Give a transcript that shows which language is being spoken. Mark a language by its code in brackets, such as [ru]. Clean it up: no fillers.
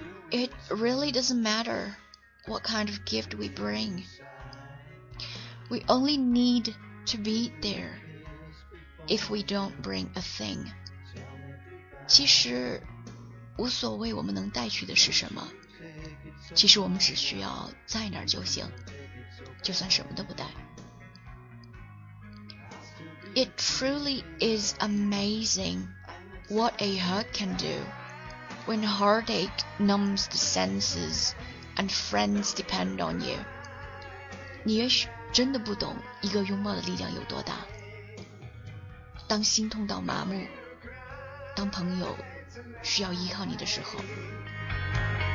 [en] It really doesn't matter what kind of gift we bring. We only need to be there if we don't bring a thing. [zh] 其实无所谓我们能带去的是什么，其实我们只需要在那儿就行，就算什么都不带。 [en] It truly is amazing what a hug can do when heartache numbs the senses and friends depend on you. [zh] 你也许真的不懂一个拥抱的力量有多大。当心痛到麻木，当朋友需要依靠你的时候。